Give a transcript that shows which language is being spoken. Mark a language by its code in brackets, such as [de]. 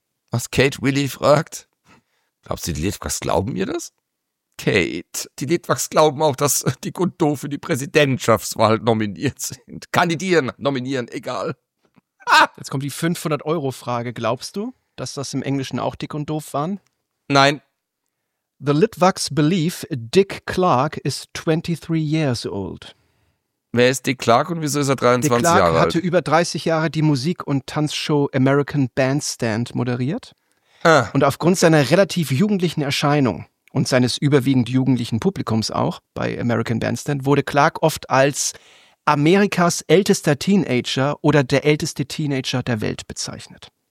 [de] Was Kate Willy fragt. Glaubst du, die Litwaks glauben ihr das? Kate, die Litwaks glauben auch, dass die Gundo für die Präsidentschaftswahl nominiert sind. Kandidieren, nominieren, egal. Jetzt kommt die 500-Euro-Frage. Glaubst du, dass das im Englischen auch dick und doof waren? Nein. [en] The Litwaks believe Dick Clark is 23 years old. [de] Wer ist Dick Clark und wieso ist er 23 Jahre alt? Dick Clark hatte über 30 Jahre die Musik- und Tanzshow American Bandstand moderiert. Ah. Und aufgrund seiner relativ jugendlichen Erscheinung und seines überwiegend jugendlichen Publikums auch bei American Bandstand wurde Clark oft als Amerikas ältester Teenager oder der älteste Teenager der Welt bezeichnet.